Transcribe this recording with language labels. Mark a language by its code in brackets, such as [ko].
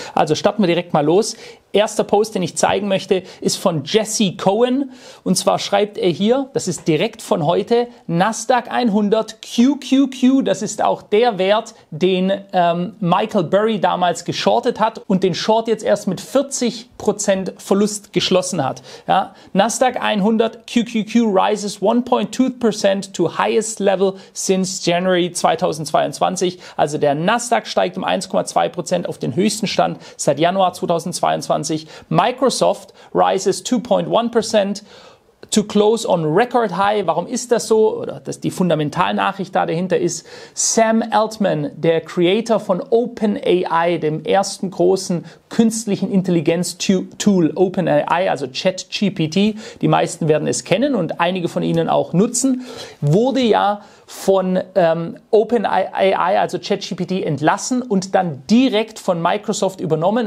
[de] Also starten wir direkt mal los. Erster Post, den ich zeigen möchte, ist von Jesse Cohen. Und zwar schreibt er hier, das ist direkt von heute, Nasdaq 100 QQQ, das ist auch der Wert, den Michael Burry damals geschortet hat und den Short jetzt erst mit 40% Verlust geschlossen hat. Ja? [en] Nasdaq 100 QQQ rises 1.2% to highest level since January 2022. [de] Also der Nasdaq steigt um 1.2% auf den höchsten Stand seit Januar 2022. [en] Microsoft rises 2.1% to close on record high. [de] Warum ist das so? Oder dass die Fundamentalnachricht da dahinter ist. Sam Altman, der Creator von OpenAI, dem ersten großen künstlichen Intelligenz-Tool OpenAI, also ChatGPT, die meisten werden es kennen und einige von Ihnen auch nutzen, wurde ja von OpenAI, also ChatGPT, entlassen und dann direkt von Microsoft übernommen.